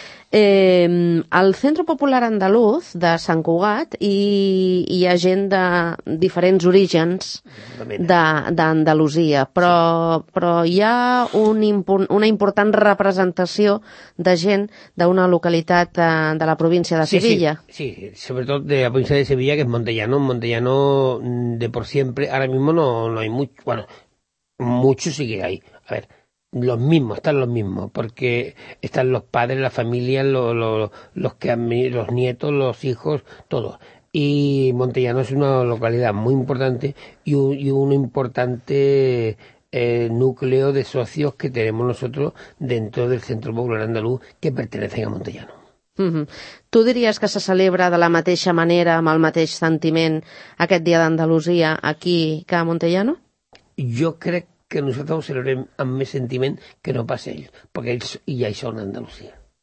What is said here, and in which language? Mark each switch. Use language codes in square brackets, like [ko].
[ca] Al Centre Popular Andaluz de Sant Cugat hi ha gent de diferents orígens d'Andalusia, però hi ha una important representació de gent d'una localitat de la província de Sevilla. Sí, sobretot de la província de Sevilla, que és Montellano. [es] Montellano de por siempre, ara mismo no hay mucho, bueno, mucho sí que hay, a ver. Los mismos, están los mismos, porque están los padres, la familia, los que han venido, los nietos, los hijos, todos. Y Montellano es una localidad muy importante y un importante núcleo de socios que tenemos nosotros dentro del Centro Popular Andaluz que pertenecen a Montellano. [ca] Tu diries que se celebra de la mateixa manera, amb el mateix sentiment, aquest Dia d'Andalusia aquí que a Montellano? Jo crec que nosaltres ho celebrem amb més sentiment que no pas ells, perquè ells ja hi són a Andalusia.